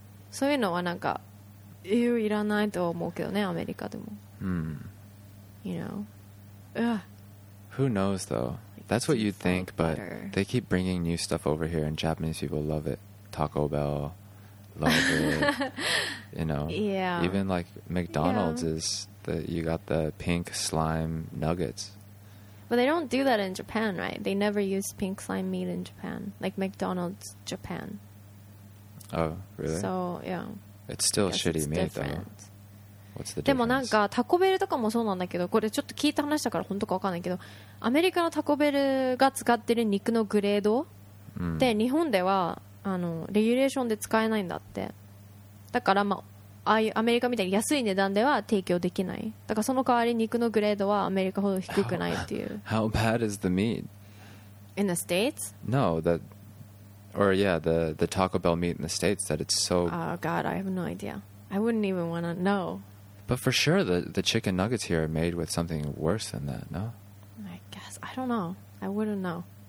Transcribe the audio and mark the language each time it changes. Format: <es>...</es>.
<ja>そういうのはなんか、いらないと思うけどね、アメリカでも。</ja> <en>You know. Who knows though? That's what you'd think, but they keep bringing new stuff over here, and Japanese people love it. Taco Bell. Love it, you know. Yeah. Even like McDonald's is that you got the pink slime nuggets. But they don't do that in Japan, right? They never use pink slime meat in Japan, like McDonald's Japan. Oh, really? So yeah. It's still shitty meat, though. What's the difference?</en> <ja>でもなんかタコベルとかもそうなんだけど、これちょっと聞いた話だから本当かわかんないけど、アメリカのタコベルが使ってる肉のグレードで日本では。あのレギュレーションで使えないんだって。だから、まあ、ああいうアメリカみたいに安い値段では提供できない。だからその代わり肉のグレードはアメリカほど低くないっていう。</ja> <en>How bad is the meat? In the States? No, that or yeah, the Taco Bell meat in the States that it's so. Oh God, I have no idea. I wouldn't even want to know. But for sure, the chicken nuggets here are made with something worse than that, no? I guess I don't know. I wouldn't know.</en>